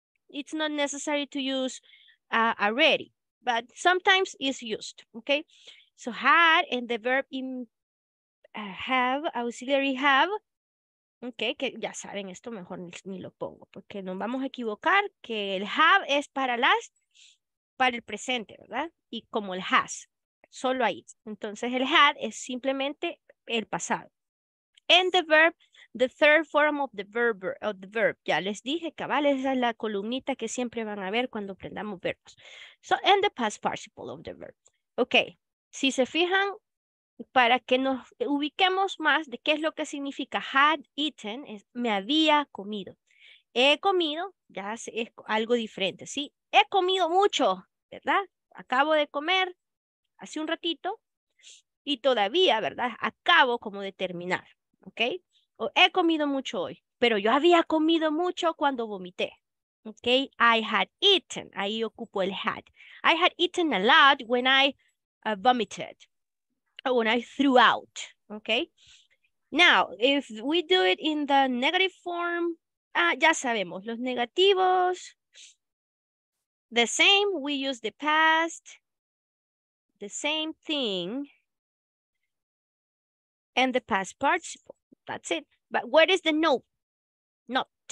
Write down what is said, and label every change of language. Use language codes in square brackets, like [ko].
[en] It's not necessary to use already, but sometimes it's used, okay? So had and the verb in have, auxiliary have, okay? [es] Que ya saben esto, mejor ni lo pongo, porque nos vamos a equivocar que el have es para las, para el presente, ¿verdad? Y como el has, solo ahí. Entonces el had es simplemente el pasado. [en] And the verb, the third form of the verb, [es] Ya les dije, cabal, esa es la columnita que siempre van a ver cuando aprendamos verbos. [en] So, and the past participle of the verb. [es] Okay, si se fijan, para que nos ubiquemos más de qué es lo que significa had eaten, es me había comido. He comido, ya es algo diferente, ¿sí? He comido mucho, ¿verdad? Acabo de comer hace un ratito y todavía, ¿verdad? Acabo como de terminar, ¿okay? O he comido mucho hoy, pero yo había comido mucho cuando vomité. [en] Okay, I had eaten. [es] Ahí ocupo el had. [en] I had eaten a lot when I vomited. Or when I threw out. Okay. Now, if we do it in the negative form, [es] ya sabemos, los negativos, [en] the same, we use the past, the same thing, and the past participle. That's it. But where is the no? Not.